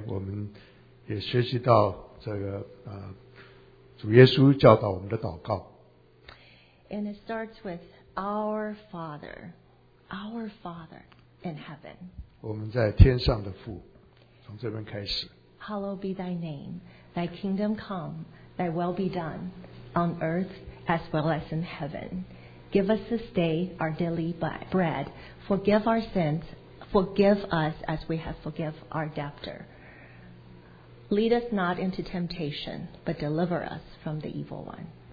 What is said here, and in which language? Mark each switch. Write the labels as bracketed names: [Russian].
[Chinese] 在马太福音第六章里面，我们也学习到。这个主耶稣教导我们的祷告 [English] And it starts with our Father in heaven [Chinese] 我们在天上的父 从这边开始 [English] Hallowed be thy name, thy kingdom come, thy will be done on earth as well as in heaven Give us this day our daily bread Forgive our sins, forgive us as we have forgiven our debtor Lead us not into temptation, but deliver us from the evil one.